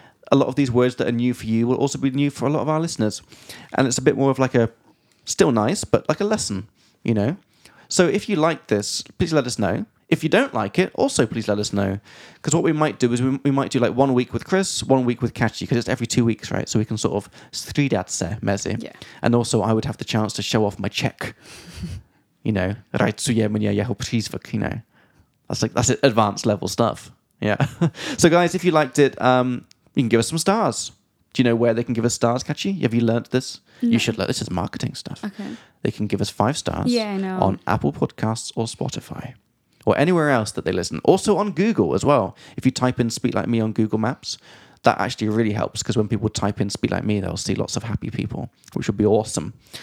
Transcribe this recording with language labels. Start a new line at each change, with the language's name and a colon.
English: A lot of these words that are new for you will also be new for a lot of our listeners, and it's a bit more of like a, still nice, but like a lesson, you know? So if you like this, please let us know. If you don't like it, also please let us know. Because what we might do is we might do like 1 week with Chris, 1 week with Kačí, because it's every 2 weeks, right? So we can sort of
Czech: střídat se mezi.
English: Yeah. And also I would have the chance to show off my Czech, you know.
Czech: Rajsuje mnie jeho přízvuk,
English: you know. That's advanced level stuff. Yeah. So guys, if you liked it, you can give us some stars. Do you know where they can give us stars, Kačí? Have you learned this? No. You should learn. This is marketing stuff. Okay. They can give us 5 stars on Apple Podcasts or Spotify or anywhere else that they listen. Also on Google as well. If you type in Speak Like Me on Google Maps, that actually really helps, because when people type in Speak Like Me, they'll see lots of happy people, which would be awesome.